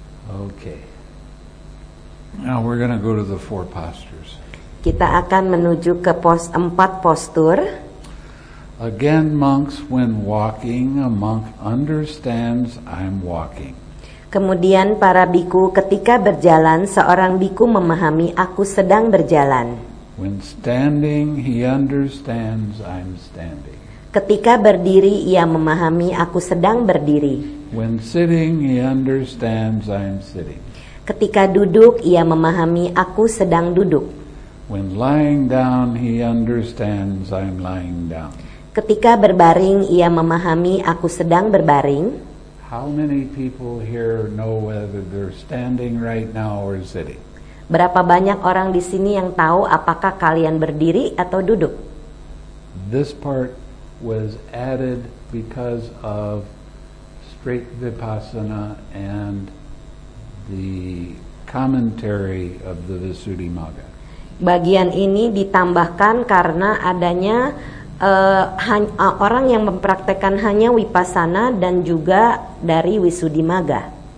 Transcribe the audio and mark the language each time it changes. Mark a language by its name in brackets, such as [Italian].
[English] Okay. Now we're going to go to the four postures. [Indonesian] Kita akan menuju ke empat postur. [English] Again, monks, when walking, a monk understands I'm walking. [Indonesian] Kemudian para bhikkhu, ketika berjalan, seorang bhikkhu memahami aku sedang berjalan. [English] When standing, he understands I'm standing. [Indonesian] Ketika berdiri, ia memahami aku sedang berdiri. [English] When sitting, he understands I'm sitting. [Indonesian] Ketika duduk, ia memahami aku sedang duduk. [English] When lying down, he understands I'm lying down. [Indonesian] Ketika berbaring, ia memahami aku sedang berbaring. [English] How many people here know whether they're standing right now or sitting? [Indonesian] Berapa banyak orang di sini yang tahu apakah kalian berdiri atau duduk? [English] This part was added because of straight vipassana and the commentary of the Visuddhimagga. [Indonesian] Bagian ini ditambahkan karena adanya orang yang mempraktekkan hanya vipassana dan juga dari Visuddhimagga.